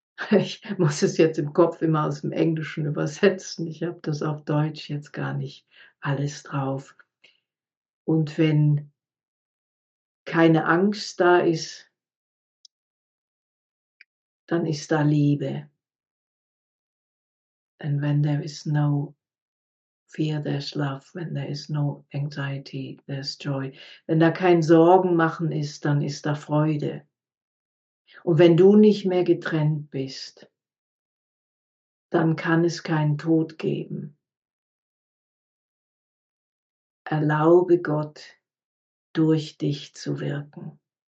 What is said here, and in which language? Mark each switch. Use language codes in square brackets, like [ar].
[de] Ich muss es jetzt im Kopf immer aus dem Englischen übersetzen. Ich habe das auf Deutsch jetzt gar nicht alles drauf. Und wenn keine Angst da ist, dann ist da Liebe. [en] And when there is no fear, there's love. When there is no anxiety, there's joy. [de] Wenn da kein Sorgen machen ist, dann ist da Freude. Und wenn du nicht mehr getrennt bist, dann kann es keinen Tod geben. Erlaube Gott, durch dich zu wirken.